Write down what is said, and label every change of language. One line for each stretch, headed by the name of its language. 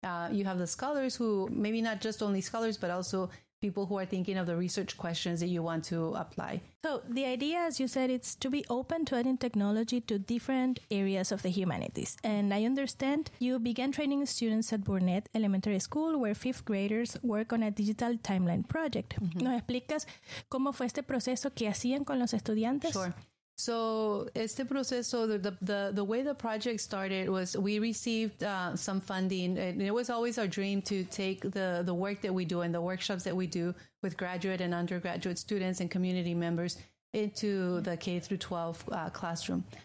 English: You have the scholars who, maybe not just only scholars, but also people who are thinking of the research questions that you want to apply. So the idea, as you said, it's to be open to adding technology to different areas of the humanities. And I understand you began training students at Burnett Elementary School, where fifth graders work on a digital timeline project. Mm-hmm.
Spanish: ¿Nos explicas cómo fue este proceso que hacían con los estudiantes?
English: Sure. So
Spanish: este proceso,
English: the way the project started was we received some funding, and it was always our dream to take the work that we do and the workshops that we do with graduate and undergraduate students and community members into the K-12 classroom.